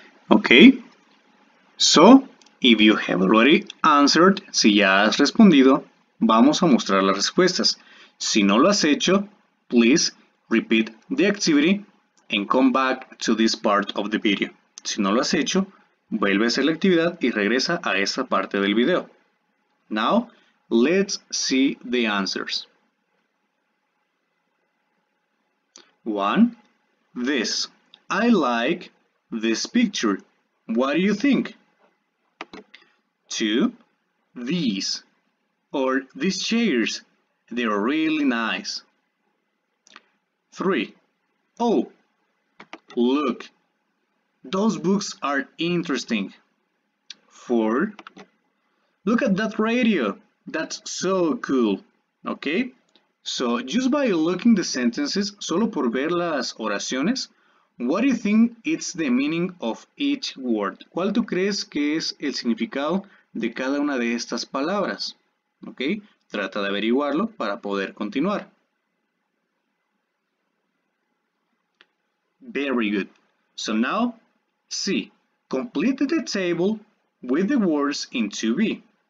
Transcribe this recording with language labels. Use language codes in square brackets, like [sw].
[en] Okay. So, if you have already answered, [es] si ya has respondido, vamos a mostrar las respuestas. Si no lo has hecho, [en] please repeat the activity and come back to this part of the video. [es] Si no lo has hecho, vuelve a hacer la actividad y regresa a esta parte del video. [en] Now, let's see the answers. 1. This. I like this picture. What do you think? 2. These. Or these chairs. They're really nice. 3. Oh, look. Those books are interesting. 4. Look at that radio. That's so cool. Okay? So, just by looking the sentences, [es] solo por ver las oraciones, [en] What do you think is the meaning of each word? [es] ¿Cuál tú crees que es el significado de cada una de estas palabras? ¿Ok? Trata de averiguarlo para poder continuar. [en] Very good. So now, C. Complete the table with the words in 2B.